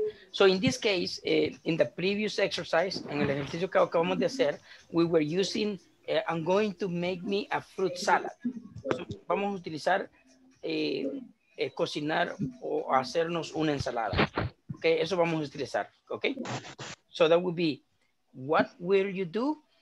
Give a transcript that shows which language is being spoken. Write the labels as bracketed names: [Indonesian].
[English] So in this case, in the previous exercise, [Spanish] en el ejercicio que acabamos de hacer, [English] we were using, I'm going to make me a fruit salad. [Spanish] So vamos a utilizar cocinar o hacernos una ensalada. Okay, eso vamos a utilizar. [English] Okay, so that would be, what will you do?